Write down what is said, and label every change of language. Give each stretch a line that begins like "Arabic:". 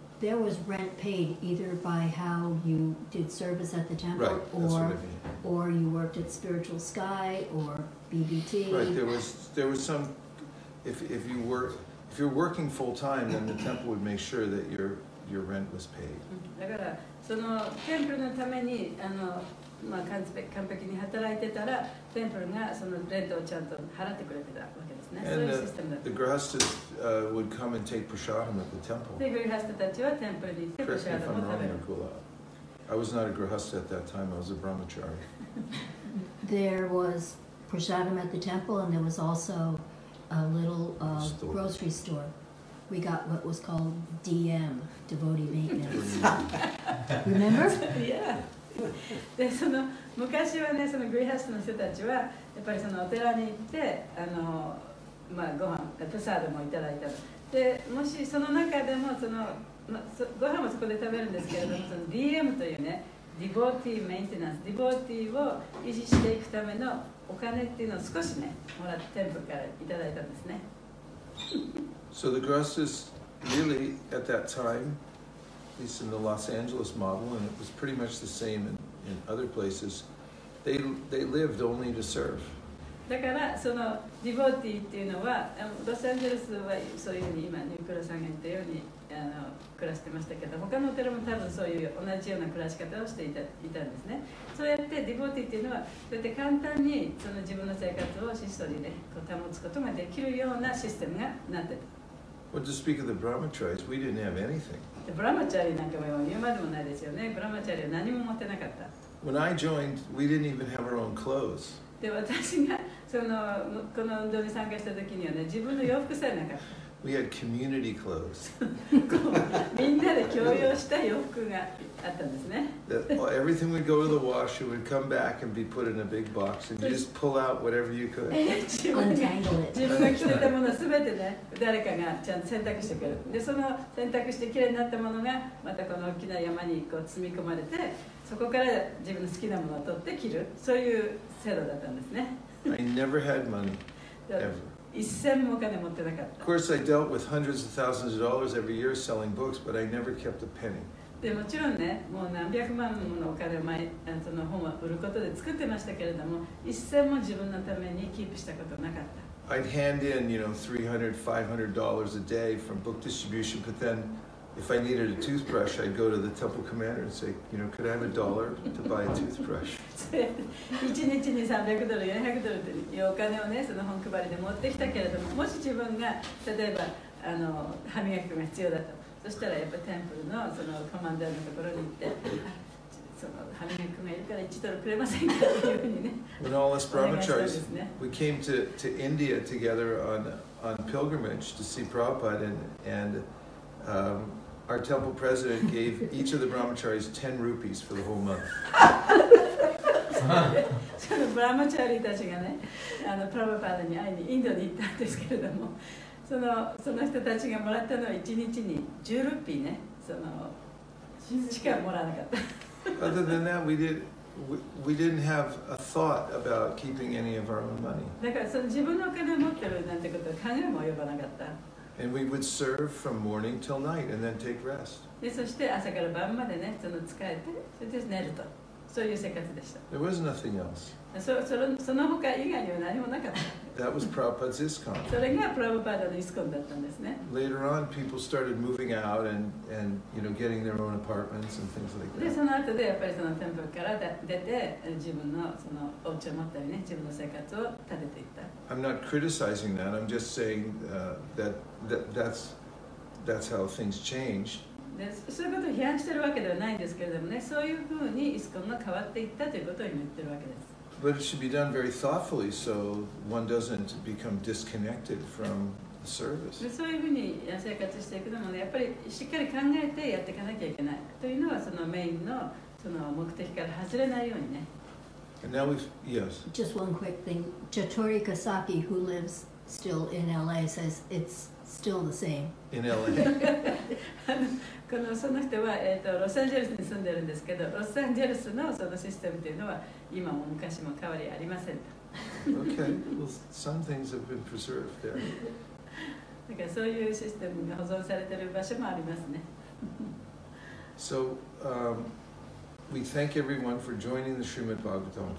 English: No, there was rent paid either by how you did service at the temple, right, or you worked at Spiritual Sky or BBT. Right, there was some. If you're working full time, then the temple would make sure that your rent was paid.
Japanese: だからそのテンプルのためにまあ、完璧に働いてたら、テンプルがそのレントをちゃんと払ってくれてたわけですね。
English: And、
Japanese: そういうシステムだった。
English: The grihastas、would come and take prasadam at the temple.
Japanese: で、グリハスタたちはテンプルに行ってプラシャダムを食べる。
English: I was not a grihastha at that time, I was a brahmachari. There was prasadam at the temple and there was also a little、grocery store. We got what was called DM, devotee maintenance. Remember? Yeah.
Japanese: で、その昔はね、そのグリハスタの人たちはやっぱりそのお寺に行って、まあ、ご飯、プサードもいただいたの。で、もしその中でもそのまあ、ご飯もそこで食べるんですけれども、その DM というね、ディボーティーメンテナンス、ディボーティーを維持していくためのお金っていうのを少しね、もらって店舗からいただいたんですね。
English: So the grihastas really at that time, at least in the Los Angeles model, and it was pretty much the same in other places, they lived only to serve.
Japanese: だからそのディボーティーっていうのはロサンゼルスはそういうふうに今ニュークロさんが言ったように暮らしてましたけど他のお寺も多分そういう同じような暮らし方をしていたんですね。そうやってディボーティーっていうのはそうやって簡単にその自分の生活を質素にねこう保つことができるようなシステムがなってた。
English: Well, to speak of the brahmacharis, we didn't have anything.
Japanese: The brahmachari なんかも言うまでもないですよね。brahmachari は何も持ってなかった。
English: When I joined, we didn't even have our own clothes.
Japanese: で私がそのこの運動に参加した時にはね自分の洋服さえなかった。
English: We had community clothes.
Japanese: みんなで共用した洋服があったんですね。
English: Everything would go to the wash, it would come back and be put in a big box, and you just pull out whatever you could.
Japanese: 自分が着てたものすべてね誰かがちゃんと洗濯してくる。でその洗濯してきれいになったものがまたこの大きな山にこう積み込まれて。そこから自分の好きなものを取って着る、そういう制度だったんですね。
English: I never had money, ever.
Japanese: 一銭もお金持ってなかった。
English: Of course, I dealt with hundreds of thousands of dollars every year selling books, but I never kept a penny.
Japanese: でもちろんね、もう何百万ものお金を毎その本は売ることで作ってましたけれども、一銭も自分のためにキープしたことなかった。
English: I'd hand in, you know, $300-$500 a day from book distribution, but then. If I needed a toothbrush, I'd go to the temple commander and say, you know, could I have a dollar to buy a toothbrush?
Japanese: 一日に$300、$400というお金をね、その本配りで持ってきたけれども、もし自分が例えば歯磨きが必要だと、そしたらやっぱりテンプルのそのコマンダーのところに行って、その歯磨きがいるから1ドルくれませんかというふうにね。
English: When all us brahmacharis, we came to India together on pilgrimage to see Prabhupada and our temple president gave each of the brahmacharis 10 rupees for the whole month.
Japanese: そのブラマチャリたちがね、プラバパダに会いにインドに行ったんですけれども、その人たちがもらったのは1日に10ルーピーね、その、しかもらわなかった。
English: Other than that, we didn't have a thought about keeping any of our own money.
Japanese: だからその自分のお金を持ってるなんてことは考えも及ばなかった。
English: And we would serve from morning till night and then take rest.
Japanese: で、そして朝から晩までね、その使えて、それで寝ると。そういう生活でした。
English: There was nothing else.
Japanese: その他以外には何もなかった。
English: That was Prabhupada's ISKCON.
Japanese: それがプラヴァパーダのイスコンだったんですね。
English: Later on, people started moving out and you know, getting their own apartments and things like that.
Japanese: で、その後でやっぱりそのテンプルから出て、自分のそのお家を持ったりね、自分の生活を立てていった。
English: I'm not criticizing that, I'm just saying that's how things changed.
Japanese: で、そういうことを批判してるわけではないんですけれどもね、そういうふうにイスコンが変わっていったということを言ってるわけです。
English: But it should be done very thoughtfully so one doesn't become disconnected from the service.
Japanese: そういうふうに生活していくのもね、やっぱりしっかり考えてやっていかなきゃいけないというのはそのメインのその目的から外れないようにね。
English: And now we've, yes. Just one quick thing. Jatori Kasaki, who lives still in LA, says it's still the same. In LA.
Japanese: その人は、ロサンゼルスに住んでるんですけど、ロサンゼルスのそのシステムというのは今も昔も変わりありませんと。
English: Okay, well, some things have been preserved there.
Japanese: だからそういうシステムが保存されている場所もありますね。
English: So, we thank everyone for joining the Srimad Bhagavatam class.